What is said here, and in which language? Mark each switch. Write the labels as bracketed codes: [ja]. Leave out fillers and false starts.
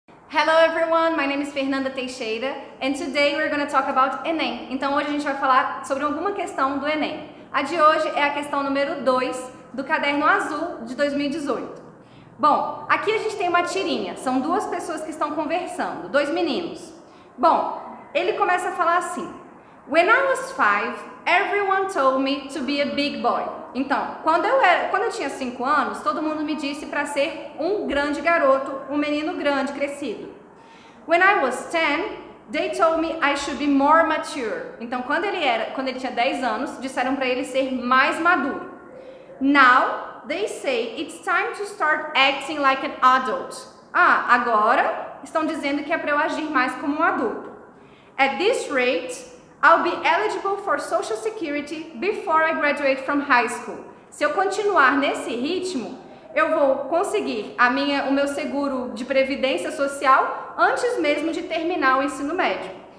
[en] Hello everyone, my name is Fernanda Teixeira and today we're going to talk about Enem. [pt] Então hoje a gente vai falar sobre alguma questão do Enem. A de hoje é a questão número 2 do caderno azul de 2018. Bom, aqui a gente tem uma tirinha, são duas pessoas que estão conversando, dois meninos. Bom, ele começa a falar assim: [en] When I was 5, everyone told me to be a big boy. [pt] Então, quando eu tinha 5 anos, todo mundo me disse para ser um grande garoto, um menino grande, crescido. [en] When I was 10, they told me I should be more mature. [pt] Então, quando ele tinha 10 anos, disseram para ele ser mais maduro. [en] Now, they say it's time to start acting like an adult. [pt] Ah, agora estão dizendo que é para eu agir mais como um adulto. [en] At this rate, I'll be eligible for Social Security before I graduate from high school. [pt] Se eu continuar nesse ritmo, eu vou conseguir o meu seguro de previdência social antes mesmo de terminar o ensino médio.